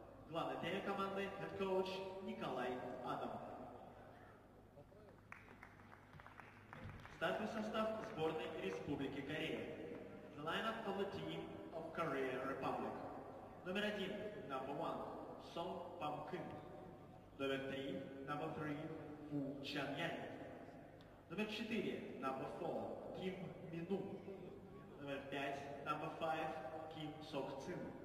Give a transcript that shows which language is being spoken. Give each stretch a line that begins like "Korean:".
Russian: Главный тренер команды,
English: head coach
Russian: Николай Адам. Стартовый состав сборной Республики Корея. The lineup of the team of Korea Republic. Номер 1,
English: number 1,
Russian: Сон Пам Кын. Номер 3,
English: number 3,
Russian: Фу Чан Ян. Номер 4,
English: number 4,
Russian: Ким Мину. Номер 5,
English: number 5,
Russian: Ким Сок Цин.